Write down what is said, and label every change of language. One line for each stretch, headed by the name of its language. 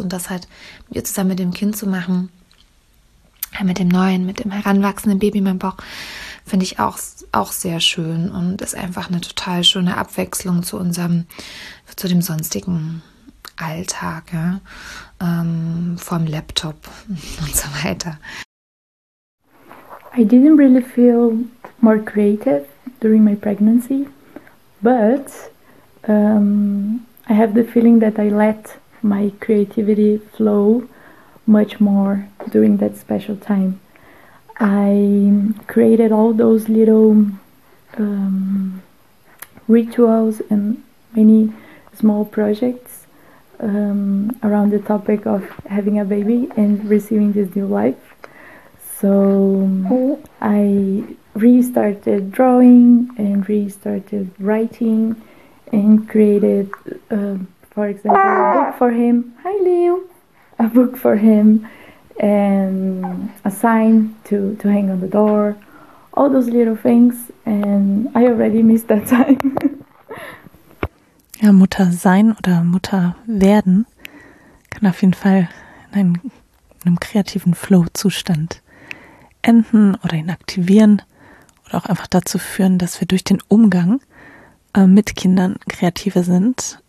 German: Und das halt mit ihr zusammen mit dem Kind zu machen, mit dem neuen, mit dem heranwachsenden Baby in meinem Bauch, finde ich auch sehr schön und ist einfach eine total schöne Abwechslung zu dem sonstigen Alltag, ja? Vom Laptop und so weiter.
English: I didn't really feel more creative during my pregnancy, but I have the feeling that I let my creativity flow much more during that special time. I created all those little rituals and many small projects around the topic of having a baby and receiving this new life. So I restarted drawing and restarted writing and created, for example, a book for him. Hi, Leo. A book for him and a sign to hang on the door, all those little things, and I already missed that time.
German: Ja, Mutter sein oder Mutter werden kann auf jeden Fall in einem kreativen Flow-Zustand enden oder ihn aktivieren oder auch einfach dazu führen, dass wir durch den Umgang mit Kindern kreativer sind.